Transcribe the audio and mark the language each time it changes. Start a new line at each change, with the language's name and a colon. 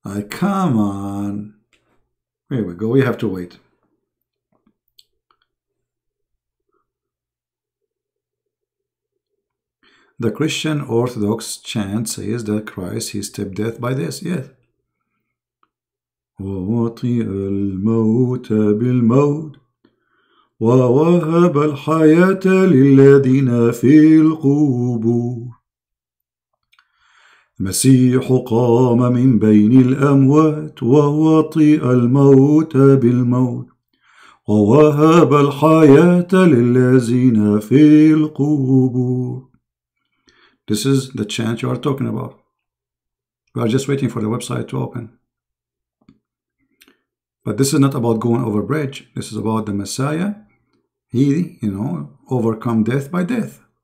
English: Come on. Here we go. We have to wait. The Christian Orthodox chant says that Christ, he stepped death by this. Yes.
Arabic: وَوَطِئَ الْمَوْتَ بِالْمَوْتِ وَوَهَبَ الْحَيَاةَ لِلَّذِينَ فِي الْقُبُورِ المسيح قام من بين الأموات ووطئ الموت بالموت ووهب الحياة للذين في القبور.
English: This is the chant you are talking about. We are just waiting for the website to open. But this is not about going over bridge. This is about the Messiah. He, you know, overcome death by death.